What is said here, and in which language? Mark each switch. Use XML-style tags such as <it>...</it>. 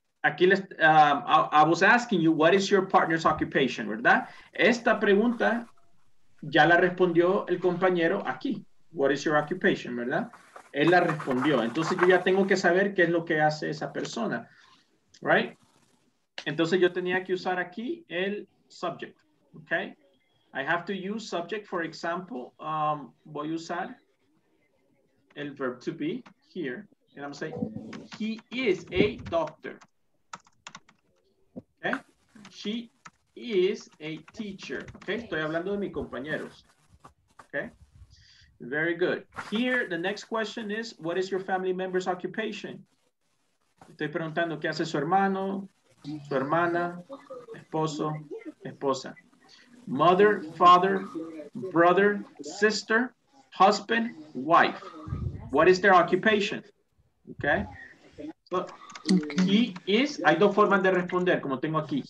<es>Aquí les,</es> <en>I was asking you, what is your partner's occupation,</en> <es>verdad? Esta pregunta ya la respondió el compañero aquí.</es> <en>What is your occupation,</en> <es>verdad? Él la respondió. Entonces yo ya tengo que saber qué es lo que hace esa persona,</es> <en>right?</en> <es>Entonces yo tenía que usar aquí el subject, okay?</es> <en>I have to use subject, for example,</en> <es>voy a usar el</es> <en>verb to be here, and I'm saying, he is a doctor. Okay? She is a teacher. Okay?</en> <es>Estoy hablando de mis compañeros.</es> <en>Okay? Very good. Here, the next question is, what is your family member's occupation?</en> <es>Estoy preguntando, ¿qué hace su hermano, su hermana, esposo, esposa?</es> <en>Mother, father, brother, sister, husband, wife. What is their occupation? Okay. So, okay. He is,</en> <es>hay dos formas de responder, como tengo aquí.</es>